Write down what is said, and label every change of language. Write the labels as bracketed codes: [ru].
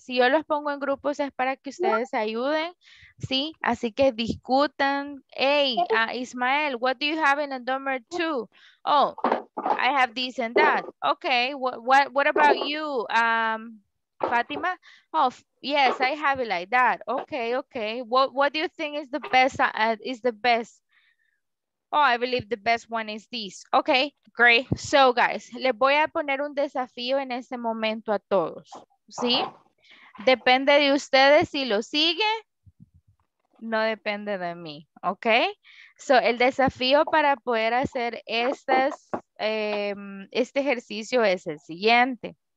[es] Si yo los pongo en grupos es para que ustedes ayuden, ¿sí? Así que discutan. [en] Hey, Ismael, what do you have in a number two? Oh, I have this and that. Okay, what about you, Fatima? Oh, yes, I have it like that. Okay, okay. What do you think is the best? Oh, I believe the best one is this. Okay, great. So, guys, [es] les voy a poner un desafío en este momento a todos. ¿Sí? Depende de ustedes si lo sigue. No depende de mí. Okay? So, el desafío para poder hacer estas, este ejercicio es el siguiente.